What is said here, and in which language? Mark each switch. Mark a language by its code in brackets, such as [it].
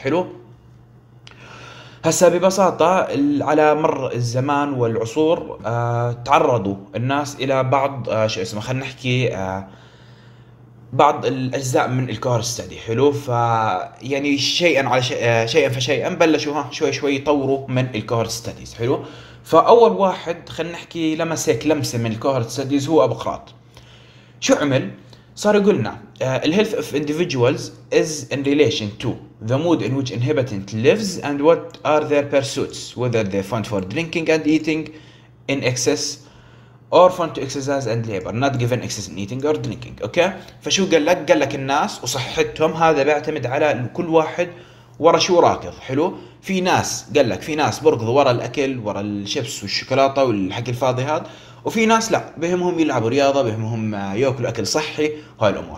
[ar] حلو، هسا ببساطه على مر الزمان والعصور تعرضوا الناس الى بعض شو اسمه، خلينا نحكي بعض الاجزاء من الكور ستدي. حلو، ف يعني شيئا على شيئا فشيئا بلشوا شوي شوي يطوروا من الكور ستديز. حلو، فاول واحد خلينا نحكي لمسك لمسه من الكور ستديز هو ابقراط. شو عمل؟ صار يقولنا ال [en] health of individuals is in relation to the mood in which inhabitant lives and what are their pursuits, whether they fond for drinking and eating in excess or fond to exercise and labor, not given excess in eating or drinking. [ar] اوكي، فشو قال لك؟ قال لك الناس وصحتهم هذا بيعتمد على كل واحد ورا شو راكض. حلو، في ناس قال لك في ناس بركضوا ورا الاكل، ورا الشيبس والشوكولاته والحكي الفاضي هذا، وفي ناس لا بهمهم يلعبوا رياضة، بهمهم يأكلوا أكل صحي، هاي الأمور.